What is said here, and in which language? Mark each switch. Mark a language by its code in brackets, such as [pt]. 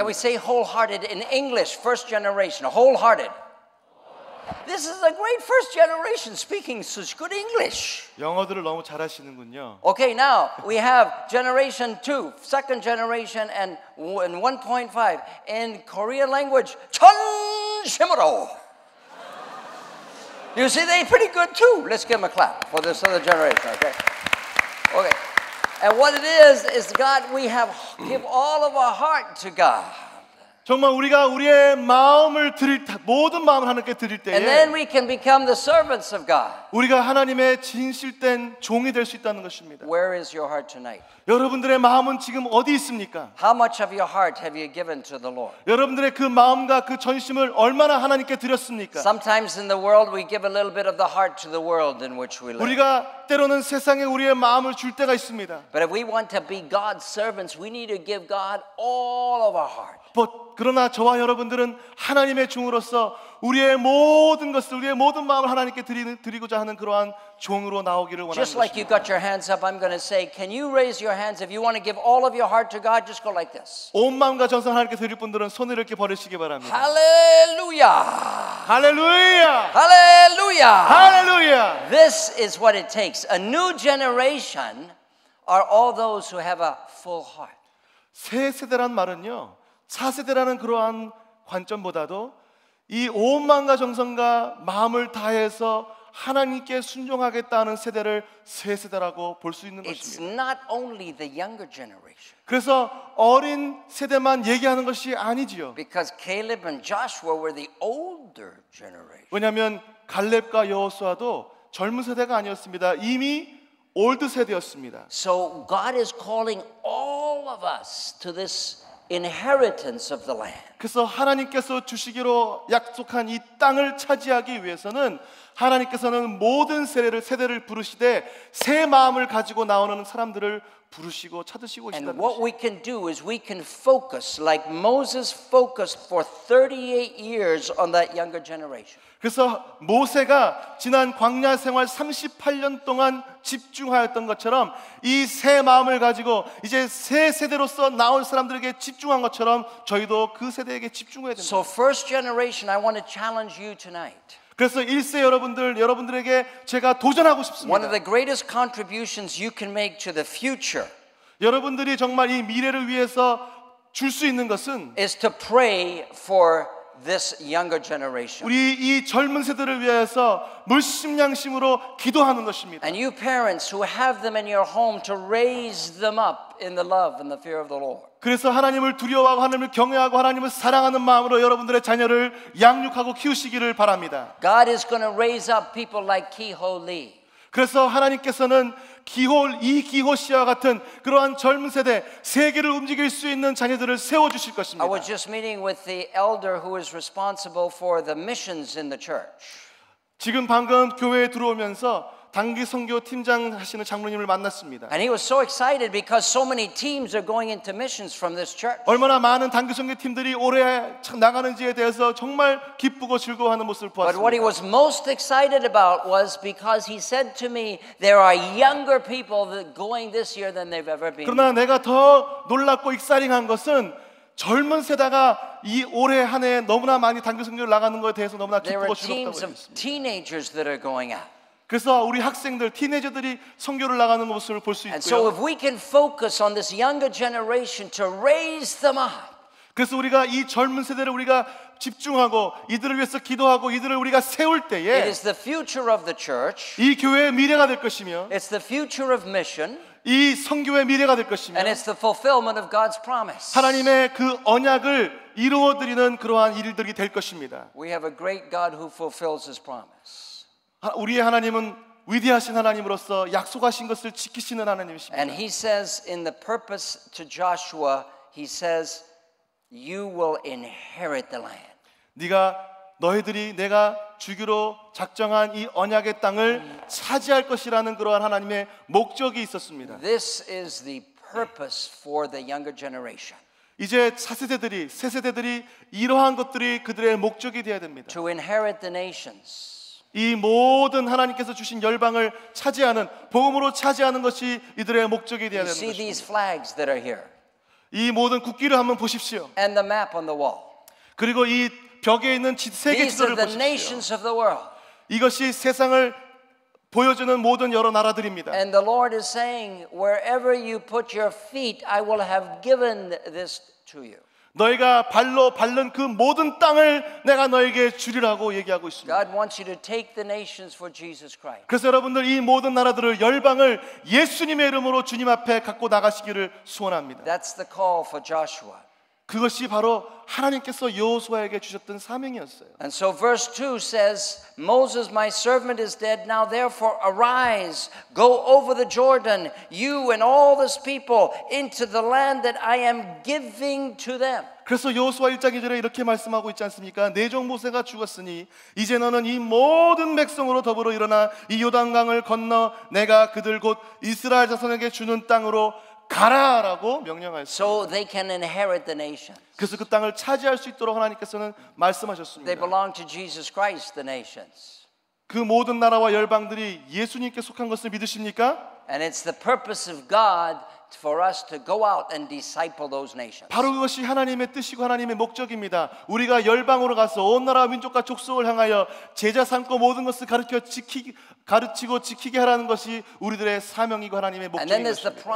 [en] Can we say wholehearted in English, first generation, wholehearted? This is a great first generation speaking such good English. [ko] 영어들을 너무 잘하시는군요. [en] Okay, now we have generation 2, second generation, and 1.5 in Korean language, [ko] 전심으로. [en] You see, they're pretty good too. Let's give them a clap for this other generation, okay? Okay. And what it is God, we have give all of our heart to God. [ko] 정말 우리가 우리의 마음을 드릴 모든 마음을 하나님께 드릴 때에 [en] And then we can become the servants of God. [ko] 우리가 하나님의 진실된 종이 될 수 있다는 것입니다. [en] Where is your heart tonight? [ko] 여러분들의 마음은 지금 어디 있습니까? [en] How much of your heart have you given to the Lord? [ko] 여러분들의 그 마음과 그 전심을 얼마나 하나님께 드렸습니까? [en] Sometimes in the world we give a little bit of the heart to the world in which we live. [ko] 우리가 때로는 세상에 우리의 마음을 줄 때가 있습니다. [en] But if we want to be God's servants, we need to give God all of our heart. [ko] 그러나 저와 여러분들은 하나님의 종으로서 우리의 모든 것을 우리의 모든 마음을 하나님께 드리고자 하는 그러한 종으로 나오기를 원합니다. [en] Just like you got your hands up, I'm going to say, can you raise your hands if you want to give all of your heart to God? Just go like this. [ko] 온 마음과 전성 하나님께 드릴 분들은 손을 이렇게 버리시기 바랍니다. [en] Hallelujah! Hallelujah! Hallelujah! Hallelujah! This is what it takes. A new generation are all those who have a full heart. [ko] 새 세대란 말은요. 차세대라는 그러한 관점보다도 이 온 마음과 정성과 마음을 다해서 하나님께 순종하겠다는 세대를 새 세대라고 볼 수 있는 [en] It's [ko] 것입니다. [en] Not only the younger generation. [ko] 그래서 어린 세대만 얘기하는 것이 아니지요. [en] Because Caleb and Joshua were the older generation. [ko] 왜냐하면 갈렙과 여호수아도 젊은 세대가 아니었습니다. 이미 올드 세대였습니다. [en] So God is calling all of us to this inheritance of the land. [ko] 그래서 하나님께서 주시기로 약속한 이 땅을 차지하기 위해서는 하나님께서는 모든 세대를 부르시되 새 마음을 가지고 나오는 사람들을 부르시고 찾으시고 계시다는 것. [en] And what we can do is we can focus like Moses focused for 38 years on that younger generation. [ko] 그래서 모세가 지난 광야 생활 38년 동안 집중하였던 것처럼 이 새 마음을 가지고 이제 새 세대로서 나올 사람들에게 집중한 것처럼 저희도 그 세대에게 집중해야 됩니다. [en] So first generation, I want to challenge you tonight. [ko] 그래서 1세 여러분들에게 제가 도전하고 싶습니다. [en] One of the greatest contributions you can make to the future. [ko] 여러분들이 정말 이 미래를 위해서 줄 수 있는 것은 [en] is to pray for this younger generation. [ko] 우리 이 젊은 세대를 위해서 물심양심으로 기도하는 것입니다. [en] And you parents who have them in your home to raise them up in the love and the fear of the Lord. [ko] 그래서 하나님을 두려워하고 하나님을 경외하고 하나님을 사랑하는 마음으로 여러분들의 자녀를 양육하고 키우시기를 바랍니다. [en] God is going to raise up people like Kehoe Lee. [ko] 그래서 하나님께서는 이 기호 씨와 같은 그러한 젊은 세대 세계를 움직일 수 있는 자녀들을 세워 주실 것입니다. [en] I was just meeting with the elder who is responsible for the missions in the church. [ko] 지금 방금 교회에 들어오면서 단기 선교 팀장 하시는 장로님을 만났습니다. [en] And he was so excited because so many teams are going into missions from this church. [ko] 얼마나 많은 단기 선교 팀들이 올해 나가는지에 대해서 정말 기쁘고 즐거워하는 모습을 보았습니다. [en] But what he was most excited about was because he said to me there are younger people going this year than they've ever been. [ko] 그러나 내가 더 놀랍고 익사링한 것은 젊은 세대가 이 올해 한 해 너무나 많이 단기 선교를 나가는 것에 대해서 너무나 기쁘고 즐겁다고 했습니다. [en] There are teams of teenagers that are going out. [ko] 그래서 우리 학생들, 티네이저들이 선교를 나가는 모습을 볼 수 있고요. [en] And so if we can focus on this younger generation to raise them up. [ko] 그래서 우리가 이 젊은 세대를 우리가 집중하고 이들을 위해서 기도하고 이들을 우리가 세울 때에 [en] It is the future of the church. [ko] 이 교회의 미래가 될 것이며 [en] It's the future of mission. [ko] 이 선교의 미래가 될 것이며 [en] And it's the fulfillment of God's promise. [ko] 하나님의 그 언약을 이루어 드리는 그러한 일들이 될 것입니다. [en] We have a great God who fulfills his promise. [ko] 우리의 하나님은 위대하신 하나님으로서 약속하신 것을 지키시는 하나님이십니다. [en] And he says in the purpose to Joshua, he says, "You will inherit the land." [ko] 네가 너희들이 내가 주기로 작정한 이 언약의 땅을 차지할 것이라는 그러한 하나님의 목적이 있었습니다. [en] This is the purpose for the younger generation. [ko] 이제 차세대들이 새세대들이 이러한 것들이 그들의 목적이 되어야 됩니다. [en] To inherit the nations. [ko] 이 모든 하나님께서 주신 열방을 차지하는 복음으로 차지하는 것이 이들의 목적이 되어야 되는 것입니다. [en] See these flags that are here. [ko] 이 모든 국기를 한번 보십시오. [en] And the map on the wall. [ko] 그리고 이 벽에 있는 세계 지도를 보십시오. [en] These are the nations of the world. [ko] 이것이 세상을 보여주는 모든 여러 나라들입니다. [en] And the Lord is saying, wherever you put your feet, I will have given this to you. [ko] 너희가 발로 밟는 그 모든 땅을 내가 너에게 주리라고 얘기하고 있습니다. [en] God wants you to take the nations for Jesus Christ. [ko] 그래서 여러분들 이 모든 나라들을 열방을 예수님의 이름으로 주님 앞에 갖고 나가시기를 소원합니다. [en] That's the call for Joshua. [ko] 그것이 바로 하나님께서 여호수아에게 주셨던 사명이었어요. [en] And so verse 2 says, Moses, my servant, is dead. Now therefore arise, go over the Jordan, you and all this people, into the land that I am giving to them. [ko] 그래서 여호수아 1장 2절에 이렇게 말씀하고 있지 않습니까? 내 종 모세가 죽었으니 이제 너는 이 모든 백성으로 더불어 일어나 이 요단강을 건너 내가 그들 곧 이스라엘 자손에게 주는 땅으로 가라라고 명령하셨습니다. [en] So they can inherit the nations. [ko] 그래서 그 땅을 차지할 수 있도록 하나님께서는 말씀하셨습니다. [en] They belong to Jesus Christ, the nations. [ko] 그 모든 나라와 열방들이 예수님께 속한 것을 믿으십니까? [en] And it's the purpose of God for us to go out and disciple those nations. [ko] 바로 그것이 하나님의 뜻이고 하나님의 목적입니다. 우리가 열방으로 가서 온 나라 민족과 족속을 향하여 제자 삼고 모든 것을 가르쳐 지키기 가르치고 지키게 하라는 것이 우리들의 사명이고 하나님의 목적입니다.